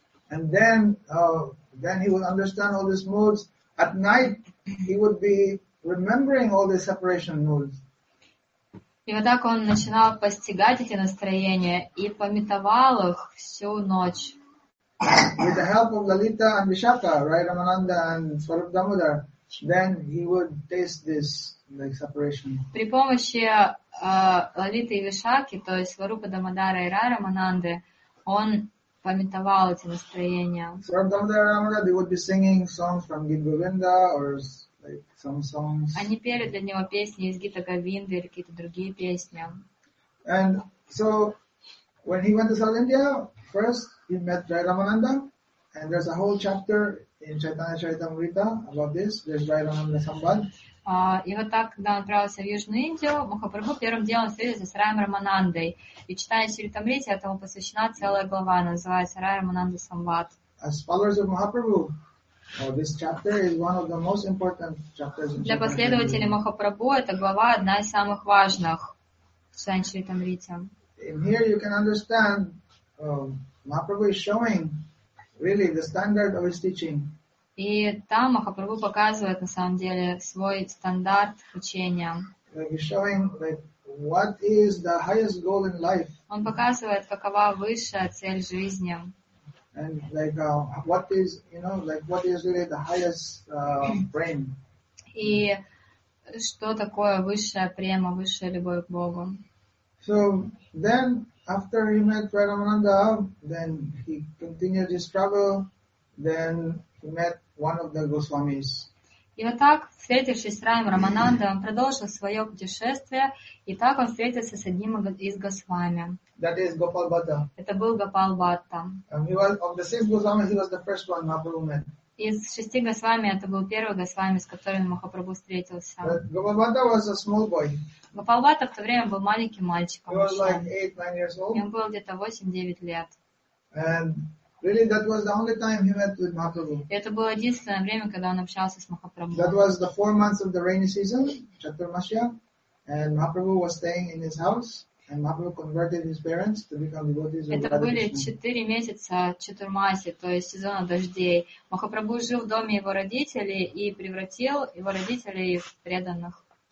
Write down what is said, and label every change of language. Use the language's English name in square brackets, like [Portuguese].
[English] And then he would understand all these moods. At night, he would be remembering all the separation moods. [Russian] И вот так он начинал постигать эти настроения и памятовал их всю ночь. [English] With the help of Lalita and Vishakha, right, Ramananda and Swarup Damodar, then he would taste this like separation. [Russian] При помощи Лалиты и Вишакхи, то есть Сварупа Дамодара и Рай Рамананды, он памятовал эти настроения. [English] Swarup Damodar and Ramananda, they would be singing songs from Gita Govinda or like some songs. [Russian] Они пели для него песни из Гита Говинды или какие-то другие песни. [English] And so when he went to South India, first he met Jai Ramananda, and there's a whole chapter in Chaitanya Charitamrita about this. There's Jai Ramananda Sambad. [Russian] И вот так, когда он отправился в Южную Индию, Махапрабху первым делом встретился с Раем Раманандой. И читая Чаритамриту, этому посвящена целая глава, называется Рай Рамананда Самбад. [English] As followers of Mahaprabhu, this chapter is one of the most important chapters in [Russian] Для последователей Махапрабху эта глава одна из самых важных в Чайтанья Чаритамрите. [English] In here you can understand Mahaprabhu is showing really the standard of his teaching. [Russian] И там Махапрабху показывает на самом деле свой стандарт учения. [English] Like he's showing like what is the highest goal in life. [Russian] Он показывает, какова высшая цель жизни. [English] And like what is, you know, like what is really the highest prem. [Russian] И что такое высшая према, высшая любовь к Богу. [English] So then, after he met Rai Ramananda, then he continued his travel. Then he met one of the Goswamis. [Russian] И вот так, встретившись с Раем Рамананда, он продолжил свое путешествие, и так он встретился с одним из Госвами. [English] That is Gopal Bhatta. [Russian] Это был Гопал Бхатта. [English] And he was of the six Goswamis. He was the first one Mahaprabhu met. [Russian] Из шести Госвами это был первый Госвами, с которым Махапрабху встретился. [English] Гопал Бхатта was a small boy. [Russian] Гопал Бхатта в то время был маленьким мальчиком. [English] He was like 8-9 years old. [Russian] Ему было где-то 8-9 лет. [English] And really that was the only time he met with Mahaprabhu. [Russian] Это было единственное время, когда он общался с Махапрабху. [English] That was the 4 months of the rainy season, Chaturmasya. And Mahaprabhu was staying in his house. And Mahaprabhu converted his parents to become devotees of [Russian] Это были 4 месяца Чатурмаси, то есть сезона дождей. Махапрабху жил в доме его родителей и превратил его родителей в преданных.